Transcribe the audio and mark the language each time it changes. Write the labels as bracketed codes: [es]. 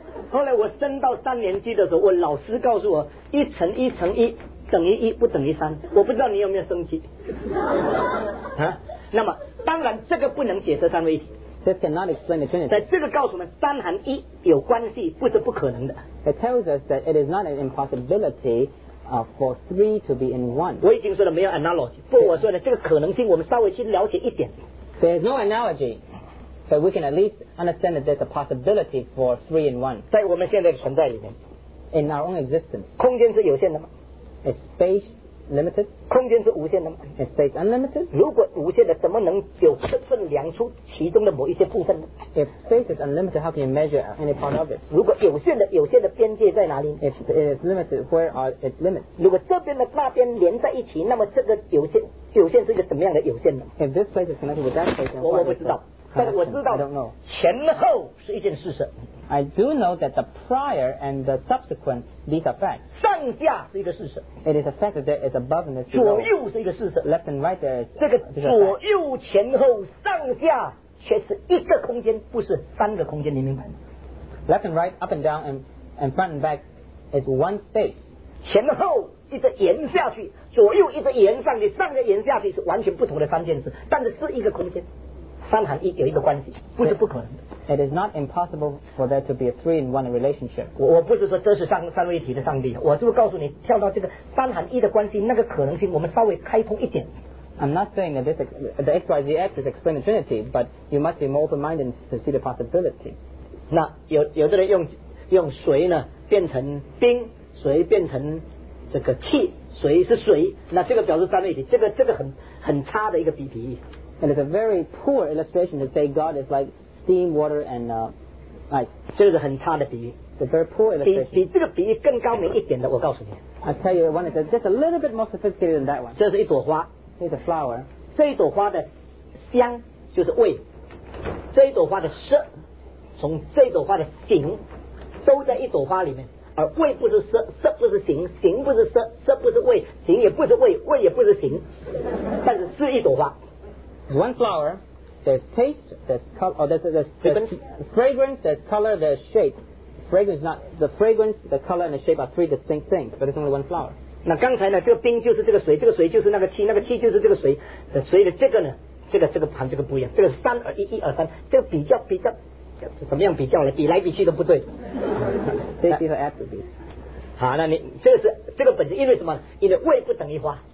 [zh] 后来我升到三年级的时候，我老师告诉我，一乘一乘一等于一，不等于三。我不知道你有没有升级。啊？那么当然，这个不能解释三位一体。 [en] This cannot explain the Trinity. [zh] 在这个告诉我们三含一有关系，不是不可能的。 [en] It tells us that it is not an impossibility, for three to be in one. [zh] 我已经说了没有 analogy， 不，我说的这个可能性，我们稍微去了解一点。 [en] There is no analogy. But we can at least understand that there's a possibility for three in one. [zh] 在我们现在的存在里面 [en] in our own existence. [zh] 空间是有限的吗？ [en] Is space limited? [zh] 空间是无限的吗？ [en] Is space unlimited? [zh] 如果无限的，怎么能有分分量出其中的某一些部分呢？ [en] If space is unlimited, how can you measure any part of it? [zh] 如果有限的，有限的边界在哪里？ [en] If it is limited, where are its limits? [zh] 如果这边的那边连在一起，那么这个有限，有限是一个什么样的有限呢？ [en] If this place is connected with that place, then [zh] 我不知道。 [en] Connection. [zh] 但是我知道前后是一件事实。 [en] I do know that the prior and the subsequent these are facts. [zh] 上下是一个事实。 [en] It is a fact that there is above and there is below. [zh] 左右是一个事实。 [en] Left and right there is [zh] 这个左右前后上下却是一个空间，不是三个空间，你明白吗？ [en] Left and right, up and down, and front and back is one space. [zh] 前后一直延下去，左右一直延上去，上下延下去是完全不同的三件事，但是是一个空间。三含一有一个关系，不是不可能的。 [en] It is not impossible for there to be a three-in-one relationship. [zh] 我不是说这是三位一体的上帝，我是不是告诉你跳到这个三含一的关系那个可能性，我们稍微开通一点。 [en] I'm not saying that this the X Y Z X is explaining the Trinity, but you must be more open-minded to see the possibility. [zh] 那有的人用水呢变成冰，水变成这个气，水是水，那这个表示三位一体，这个很差的一个比喻。 [en] And it's a very poor illustration to say God is like steam, water, and ice. [zh] 这是很差的比喻。 [en] It's a very poor illustration. [zh] 比这个比喻更高明一点的，我告诉你。 [en] I'll tell you one that's just a little bit more sophisticated than that one. [zh] 这是一朵花。 [en] It's a flower. [zh] 这一朵花的香就是味。这一朵花的色，从这一朵花的形，都在一朵花里面。而味不是色，色不是形，形不是色，色不是味，形也不是味，味也不是形，但是是一朵花。 [en] One flower, there's taste, there's color, there's fragrance, there's color, there's shape. Fragrance not, the fragrance, the color, and the shape are three distinct things, but it's only one flower. [zh] 那刚才呢，这个冰就是这个水，这个水就是那个气，那个气就是这个水。所以这个呢，这个盘这个不一样，这个三二一，一二三，这个比较，怎么样比较呢？比来比去都不对。 [en] These are attributes. [zh] 好，那你这个本质，因为什么？因为味不等于花。